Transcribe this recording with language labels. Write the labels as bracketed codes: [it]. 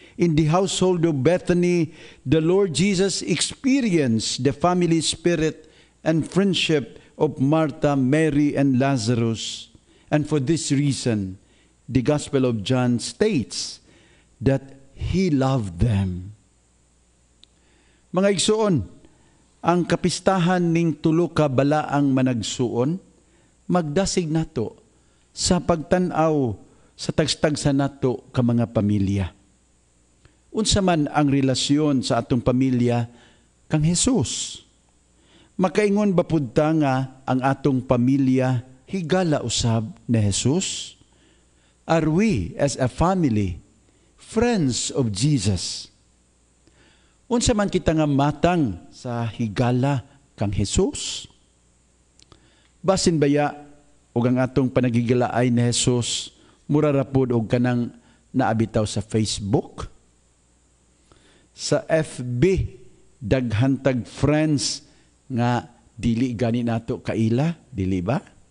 [en] In the household of Bethany, the Lord Jesus experienced the family spirit and friendship of Martha, Mary, and Lazarus. And for this reason, the Gospel of John states that He loved them. [ceb] Mga igsuon, ang kapistahan ning tulo ka balaang managsuon, magdasig nato sa pagtanaw sa tagstagsa nato ka mga pamilya. Unsa man ang relasyon sa atong pamilya kang Jesus? Makaingon ba pud ta nga ang atong pamilya higala usab ni Jesus? [en] Are we as a family friends of Jesus? [ceb] Unsa man kita nga matang sa higala kang Jesus? Basin baya og ang atong panagigalaay ni Jesus mura ra pud og kanang naabitaw sa Facebook? Sa FB, daghantag friends nga dili gani nato kaila, dili ba?